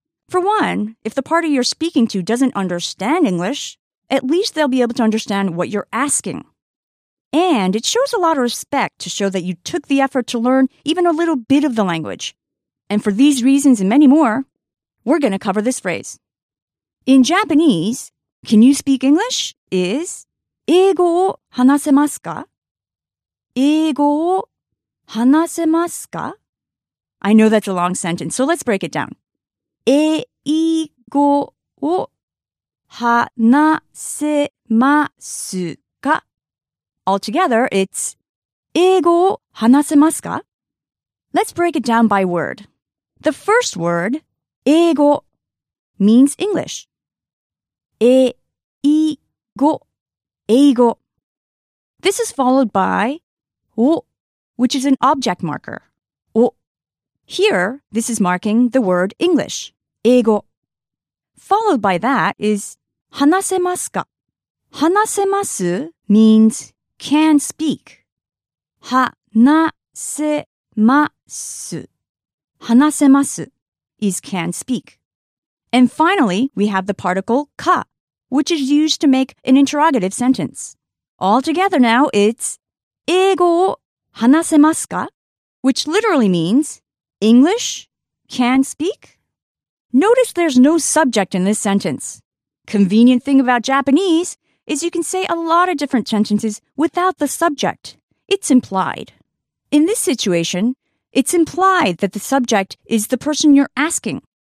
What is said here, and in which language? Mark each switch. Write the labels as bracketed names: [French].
[English] For one, if the party you're speaking to doesn't understand English, at least they'll be able to understand what you're asking. And it shows a lot of respect to show that you took the effort to learn even a little bit of the language. And for these reasons and many more, we're going to cover this phrase. In Japanese, can you speak English? [Japanese] Is 英語を話せますか? 話せますか? [English] I know that's a long sentence, so let's break it down. [Japanese] 英語を話せますか? [English] Altogether, it's [Japanese] 英語を話せますか? [English] Let's break it down by word. The first word, 英語, means English. 英語, 英語.This is followed by 語. Which is an object marker. O. Here, this is marking the word English. [Japanese] 英語. [English] Followed by that is 話せますか? 話せます means can speak. [Japanese] 話せます. [English] 話せます is can speak. And finally, we have the particle か, which is used to make an interrogative sentence. Altogether now, it's [Japanese] 英語を話せますか? [English] Which literally means, English? Can speak? Notice there's no subject in this sentence. Convenient thing about Japanese is you can say a lot of different sentences without the subject. It's implied. In this situation, it's implied that the subject is the person you're asking.